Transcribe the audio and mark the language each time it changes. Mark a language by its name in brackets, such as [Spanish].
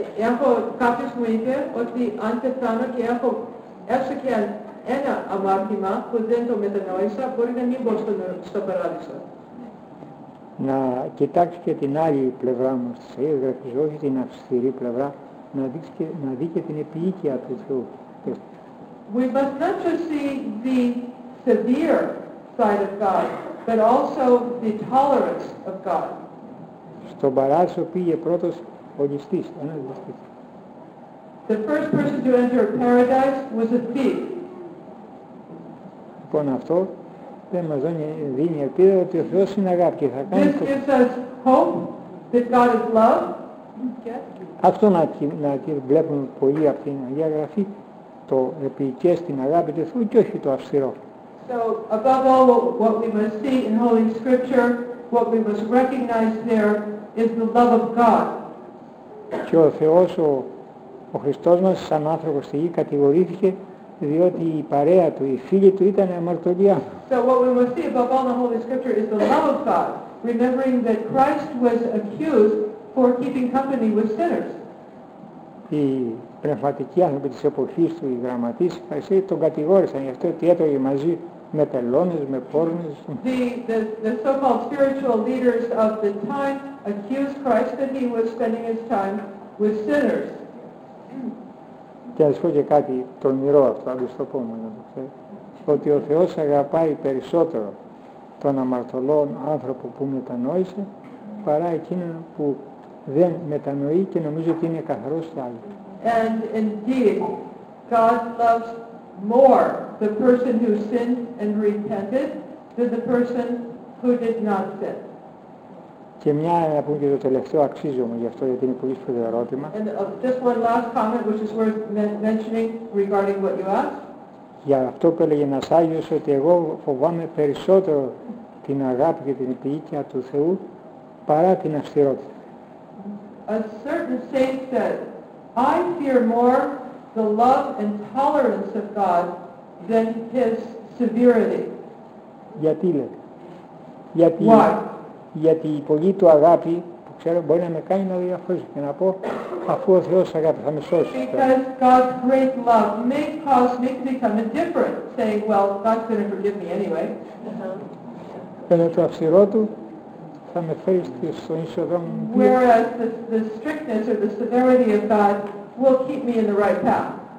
[Greek] Έχω κάποιος μου είπε ότι αν πεθάνω και έχω έστω και ένα αμάρτημα που δεν το μετανόησα, μπορεί να μην μπω στο παράδεισο. Να κοιτάξει και την άλλη πλευρά μας της Αγίας, όχι την αυστηρή πλευρά, να δει και την επιείκεια του Θεού. [English] We must not just see the severe side of God, but also the tolerance of God. [Greek] Στο παράδεισο πήγε πρώτος ο ληστής, ένας ληστής. [English] The first person to enter paradise was a thief. [Greek] Λοιπόν, αυτό δεν μας δίνει ελπίδα ότι ο Θεός είναι αγάπη και θα κάνει. [English] This gives us hope that God is love. [Greek] Αυτό να βλέπουμε πολύ από την Αγία Γραφή, το επιείκειο στην αγάπη του Θεού και όχι το αυστηρό. [English] So above all what we must see in Holy Scripture, what we must recognize there is the love of God. [Greek] Και ο Θεός, ο Χριστός μας σαν άνθρωπος στη γη κατηγορήθηκε διότι η παρέα του, οι φίλοι του ήταν αμαρτωλιά. [English] So what we must see above all in Holy Scripture is the love of God, remembering that Christ was accused for keeping company with sinners. [Greek] οι πνευματικοί άνθρωποι της εποχής του, οι γραμματείς, οι φαρισαίοι, τον κατηγόρησαν γι' αυτό ότι έτρωγε μαζί με τελώνες, με πόρνες. [English] The so-called spiritual leaders of the time accused Christ that he was spending his time with sinners. [Greek] Και ας πω και κάτι τολμηρό αυτό, αν το πω μόνο, ότι ο Θεός αγαπάει περισσότερο τον αμαρτωλό άνθρωπο που μετανόησε παρά εκείνον που δεν μετανοεί και νομίζω ότι είναι καθαρός στο άλλο. [English] And indeed, God loves more the person who sinned and repented than the person who did not sin. [Greek] Και μια, να πούμε και το τελευταίο, αξίζει όμως γι' αυτό, γιατί είναι πολύ σπουδαίο ερώτημα. [English] And just one last comment which is worth mentioning regarding what you asked. [Greek] Για αυτό που έλεγε ένας Άγιος, ότι εγώ φοβάμαι περισσότερο την αγάπη και την επιείκεια του Θεού παρά την αυστηρότητα. [English] A certain saint said, I fear more the love and tolerance of God than his severity. [Greek] Γιατί λέτε. Γιατί, [English] why? [Greek] Γιατί η πολύ του αγάπη, που ξέρω, μπορεί να με κάνει να διαφωνήσω και να πω, αφού ο Θεός αγάπη θα με σώσει. [English] Because God's great love may cause me to become indifferent, saying, well, God's going to forgive me anyway. [Greek] Ενώ το αυστηρό του θα με φέρει στον ίσιο δρόμο. [English] Whereas the strictness or the severity of God will keep me in the right path.